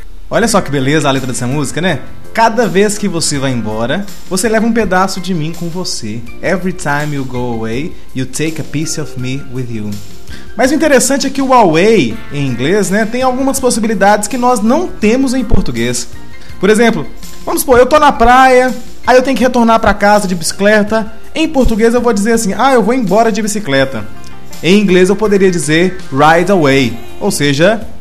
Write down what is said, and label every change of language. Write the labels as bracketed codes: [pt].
[pt] Olha só que beleza a letra dessa música, né? Cada vez que você vai embora, você leva um pedaço de mim com você. [en] Every time you go away, you take a piece of me with you. [pt] Mas o interessante é que o away, em inglês, né, tem algumas possibilidades que nós não temos em português. Por exemplo, vamos supor, eu tô na praia, aí eu tenho que retornar pra casa de bicicleta. Em português eu vou dizer assim, ah, eu vou embora de bicicleta. Em inglês eu poderia dizer [en] ride away, [pt] ou seja...